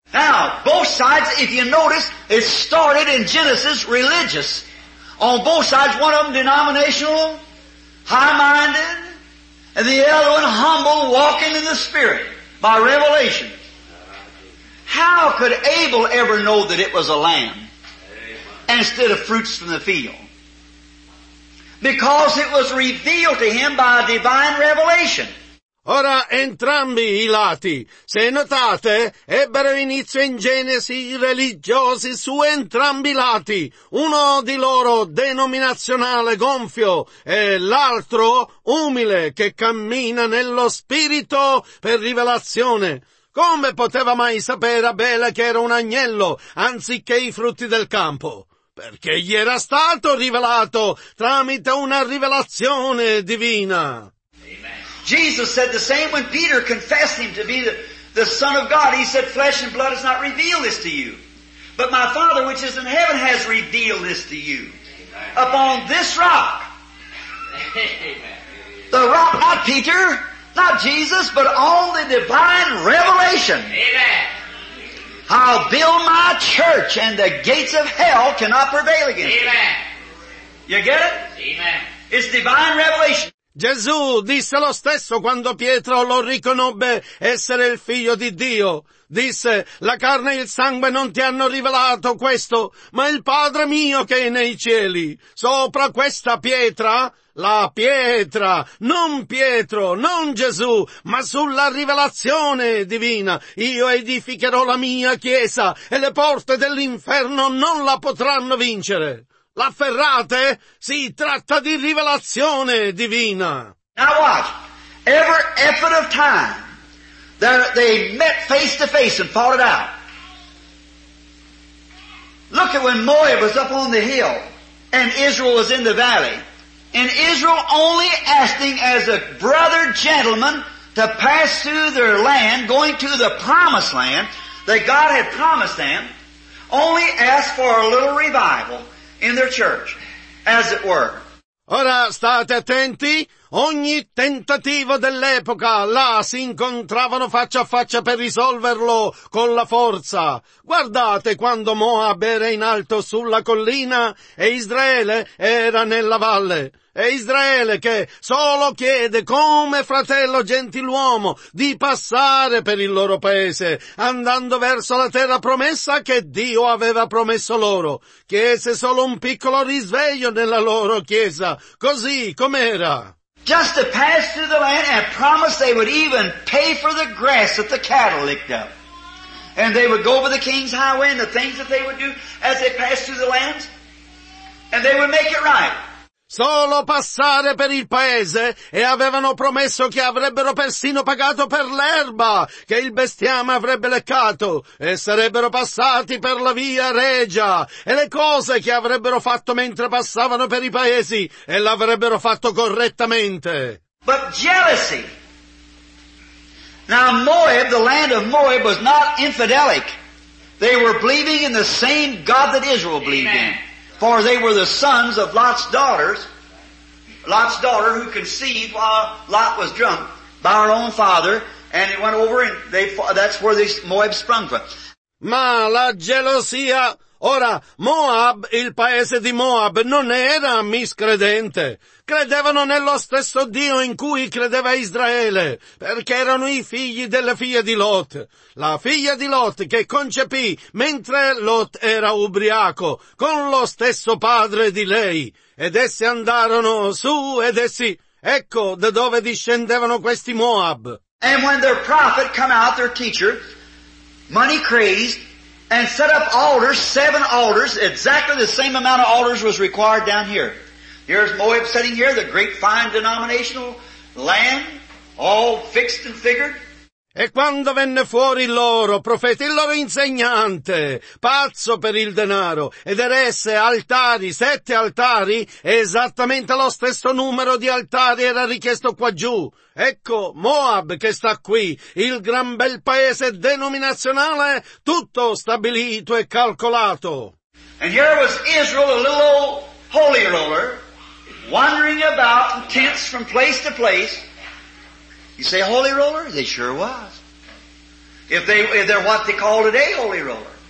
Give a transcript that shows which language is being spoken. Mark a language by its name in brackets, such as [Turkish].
[English] Now, both sides, if you notice, it started in Genesis religious. On both sides, one of them denominational, high-minded, and the other one humble, walking in the Spirit by revelation. How could Abel ever know that it was a lamb instead of fruits from the field? Because it was revealed to him by a divine revelation. [Italian] Ora, entrambi i lati, se notate, ebbero inizio in Genesi religiosi su entrambi i lati, uno di loro denominazionale gonfio e l'altro umile che cammina nello spirito per rivelazione. Come poteva mai sapere Abele che era un agnello anziché i frutti del campo? Perché gli era stato rivelato tramite una rivelazione divina. [English] Jesus said the same when Peter confessed him to be the Son of God. He said, flesh and blood has not revealed this to you, but my Father which is in heaven has revealed this to you. Amen. Upon this rock. Amen. The rock, not Peter, not Jesus, but on the divine revelation. Amen. I'll build my church and the gates of hell cannot prevail against Amen. It. You get it? Amen. It's divine revelation. [Italian] Gesù disse lo stesso quando Pietro lo riconobbe essere il figlio di Dio. Disse, la carne e il sangue non ti hanno rivelato questo, ma il Padre mio che è nei cieli. Sopra questa pietra, la pietra, non Pietro, non Gesù, ma sulla rivelazione divina, io edificherò la mia chiesa e le porte dell'inferno non la potranno vincere. L'afferrate? Si tratta di rivelazione divina. [English] Now watch. Every effort of time, they met face to face and fought it out. Look at when Moab was up on the hill and Israel was in the valley. And Israel only asking as a brother gentleman to pass through their land, going to the promised land that God had promised them, only asked for a little revival in their church, as it were. [Italian] Ora state attenti, ogni tentativo dell'epoca, là si incontravano faccia a faccia per risolverlo con la forza. Guardate quando Moab era in alto sulla collina e Israele era nella valle. E Israele che solo chiede come fratello gentiluomo di passare per il loro paese, andando verso la terra promessa che Dio aveva promesso loro, chiese solo un piccolo risveglio nella loro chiesa, così com'era. [English] Just to pass through the land and promise they would even pay for the grass that the cattle licked up. And they would go over the king's highway and the things that they would do as they passed through the land. And they would make it right. [Italian] Solo passare per il paese e avevano promesso che avrebbero persino pagato per l'erba che il bestiame avrebbe leccato e sarebbero passati per la via regia e le cose che avrebbero fatto mentre passavano per i paesi e l'avrebbero fatto correttamente. [English] But jealousy. Now Moab, the land of Moab, was not infidelic. They were believing in the same God that Israel believed in. For they were the sons of Lot's daughters, Lot's daughter who conceived while Lot was drunk by her own father, and it went over and that's where this Moab sprung from. [Italian] Ma la gelosia, ora Moab, il paese di Moab, non era miscredente. Credevano nello stesso Dio in cui credeva Israele, perché erano i figli della figlia di Lot. La figlia di Lot che concepì mentre Lot era ubriaco, con lo stesso padre di lei. Ed essi andarono su ed essi, ecco da dove discendevano questi Moab. [English] And when their prophet come out, their teacher, money crazed, and set up altars, 7 altars, exactly the same amount of altars was required down here. Here's Moab sitting here, the great fine denominational land, all fixed and figured. [Italian] E quando venne fuori il loro profeta, il loro insegnante, pazzo per il denaro, ed eresse altari, 7 altari, esattamente lo stesso numero di altari era richiesto qua giù. Ecco Moab che sta qui, il gran bel paese denominazionale, tutto stabilito e calcolato. [English] And here was Israel, a little old holy roller, wandering about in tents from place to place. You say holy roller? They sure was. If they're what they call today holy roller.